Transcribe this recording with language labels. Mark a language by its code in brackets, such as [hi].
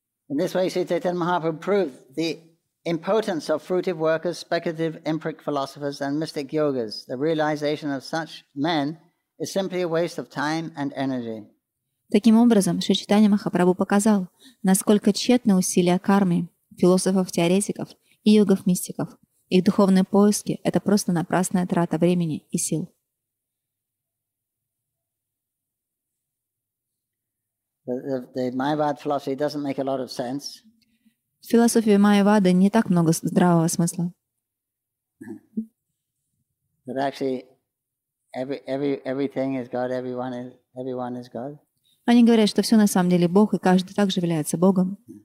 [en] In this way, Sri Chaitanya Mahaprabhu proved the impotence of fruitive workers, speculative empiric philosophers, and mystic yogas. The realization of such men is simply a waste of time and energy. [ru] Таким образом, Шри Чайтанья Махапрабху показал, насколько тщетны усилия кармы, философов-теоретиков и йогов-мистиков. Их духовные поиски — это просто напрасная трата времени и сил. [en] The Mayavad philosophy doesn't make a lot of sense. [ru] В философии Майявады не так много здравого смысла. [en] But actually, everything is God. Everyone is God. [ru] Они говорят, что все на самом деле Бог, и каждый также является Богом.